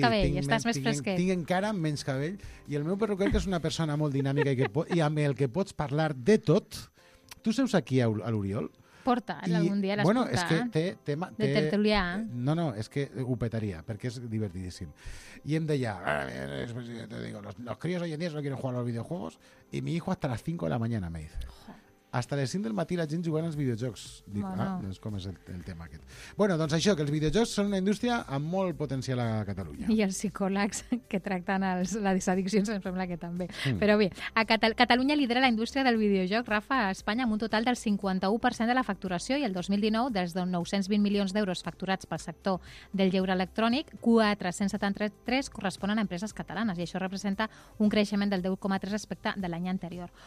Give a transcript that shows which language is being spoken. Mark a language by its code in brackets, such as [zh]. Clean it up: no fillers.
[ca] cabell, estàs més fresquet. Tinc encara menys cabell, i el meu perruquer, que és una persona molt dinàmica i amb el que pots parlar de tot, tu seus aquí a l'Oriol? porta en algun dia, bueno, porta, és que té tema de tertulià. No, és que ho petaria, perquè és divertidíssim. I em deia, [es] te digo, los críos hoy en día no quieren jugar a los videojuegos, y mi hijo hasta las 5 de la mañana, me dice. [ca] Hasta les 5 del matí la gent jugant als videojocs. Dic, bueno. Doncs com és el tema aquest. Bueno, doncs això, que els videojocs són una indústria amb molt potencial a Catalunya. I els psicòlegs que tracten les addiccions, em sembla que també. Mm. Però bé, a Catalunya lidera la indústria del videojoc, Rafa, a Espanya, amb un total del 51% de la facturació, i el 2019, dels 920 milions d'euros facturats pel sector del lleure electrònic, 473 corresponen a empreses catalanes, i això representa un creixement del 10,3% respecte de l'any anterior.